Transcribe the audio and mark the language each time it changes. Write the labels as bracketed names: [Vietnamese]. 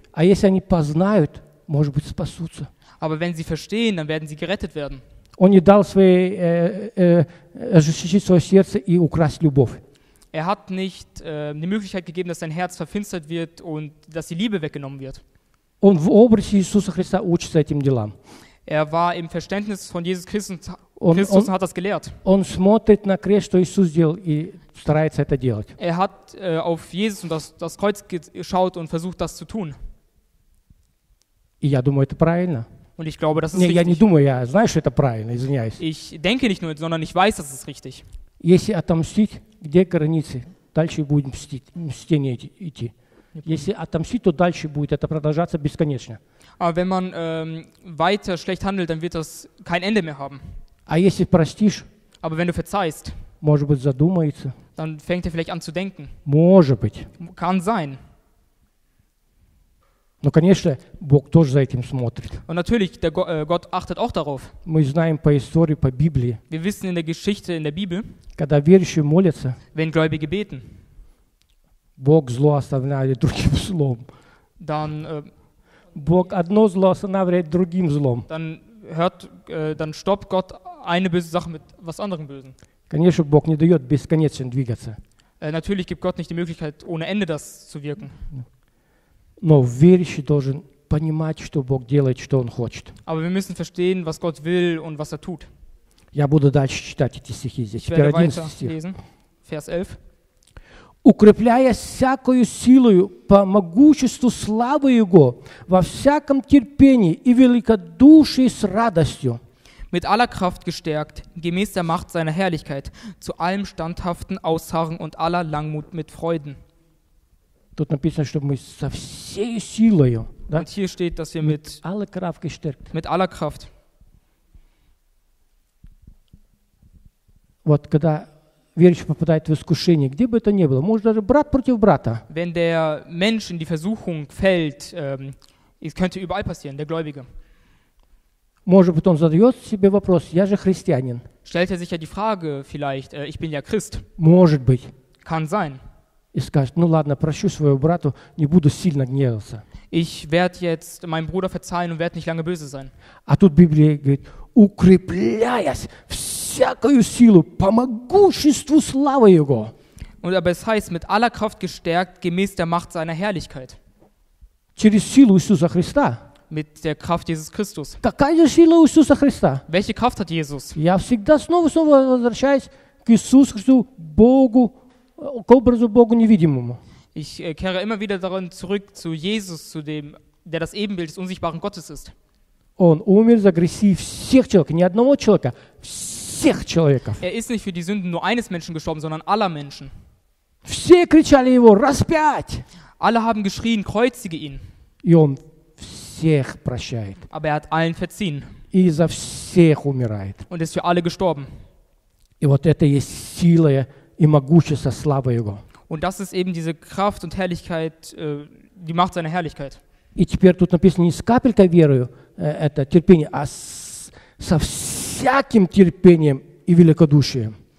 [Russian] А если они познают, может быть, спасутся. [German] Aber wenn sie verstehen, dann werden sie gerettet werden. [Russian] Он не дал своей ожесточить свое сердце и украсть любовь. [German] Er hat nicht die Möglichkeit gegeben, dass sein Herz verfinstert wird und dass die Liebe weggenommen wird. [Russian] Он в образе Иисуса Христа учится этим делам. [German] Er war im Verständnis von Jesus Christus und hat das gelehrt. [Russian] Он смотрит на крест, что Иисус сделал, и старается это делать. [German] Er hat auf Jesus und das Kreuz geschaut und versucht, das zu tun. [Russian] И я думаю, это правильно. [German] Und ich glaube, das ist [Russian] richtig. Я не думаю, я знаю, что это правильно, извиняюсь. [German] Ich denke nicht nur, sondern ich weiß, dass es richtig. [Russian] Если отомстить, где границы? Дальше будем мстить, идти. Если отомстить, то дальше будет это продолжаться бесконечно. [German] Aber wenn man weiter schlecht handelt, dann wird das kein Ende mehr haben. [Russian] А если простишь? [German] Aber wenn du verzeihst? [Russian] Может быть, задумается. [German] Dann fängt er vielleicht an zu denken. [Russian] Может быть. [German] Kann sein. [Russian] Но, конечно, Бог тоже за этим смотрит. [German] Und natürlich, Gott achtet auch darauf. [Russian] Мы знаем по истории, по Библии. [German] Wir wissen in der Geschichte, in der Bibel. [Russian] Когда верующие молятся. [German] Wenn Gläubige beten. [Russian] Бог зло останавливает другим злом. [German] Dann, [Russian] Бог одно зло останавливает другим злом. [German] Dann hört, dann stoppt Gott eine böse Sache mit was anderem Bösen. [Russian] Конечно, Бог не дает бесконечно двигаться. [German] Natürlich gibt Gott nicht die Möglichkeit, ohne Ende das zu wirken. [Russian] Но верующий должен понимать, что Бог делает, что Он хочет. [German] Aber wir müssen verstehen, was Gott will und was er tut. [Russian] Я буду дальше читать эти стихи здесь. Теперь 11 стих. [German] Lesen. Vers 11. [Russian] Укрепляя всякою силою по могуществу славы Его во всяком терпении и великодушии с радостью. [German] Mit aller Kraft gestärkt, gemäß der Macht seiner Herrlichkeit, zu allem standhaften Ausharren und aller Langmut mit Freuden. [Russian] Тут написано, что мы со всей силою. Да? [German] Und hier steht, dass wir mit aller Kraft gestärkt. Mit aller Kraft. [Russian] Вот когда верующий попадает в искушение, где бы это ни было, может даже брат против брата. [German] Wenn der Mensch in die Versuchung fällt, es könnte überall passieren, der Gläubige. [Russian] Может быть, он задает себе вопрос: я же христианин. [German] Stellt er sich ja die Frage vielleicht: ich bin ja Christ. [Russian] Может быть. [German] Kann sein. [Russian] И скажет: ну ладно, прощу своего брата, не буду сильно гневаться. [German] Ich werde jetzt meinem Bruder verzeihen und werde nicht lange böse sein. [Russian] А тут Библия говорит: укрепляясь всякою силу по могуществу славы Его. [German] Und aber es heißt, mit aller Kraft gestärkt, gemäß der Macht seiner Herrlichkeit. [Russian] Через силу Иисуса Христа. [German] Mit der Kraft Jesus Christus. [Russian] Какая сила Иисуса Христа? [German] Welche Kraft hat Jesus? [Russian] Я всегда снова возвращаюсь к Иисусу Христу, Богу, к образу Богу невидимому. [German] Ich kehre immer wieder daran zurück zu Jesus, zu dem, der das Ebenbild des unsichtbaren Gottes ist. [Russian] Он умер за грехи всех человек, не одного человека, всех человеков. [German] Er ist nicht für die Sünden nur eines Menschen gestorben, sondern aller Menschen. [Russian] Все кричали его: распять! [German] Alle haben geschrien, kreuzige ihn. [Russian] И он всех прощает. [German] Aber er hat allen verziehen. [Russian] И за всех умирает. [German] Und ist für alle gestorben. [Russian] И вот это есть сила и могущество славы Его. [German] Und das ist eben diese Kraft und Herrlichkeit, die Macht seiner Herrlichkeit. [Russian] И теперь тут написано не с капелькой верою, это терпение, а со всяким терпением и великодушием.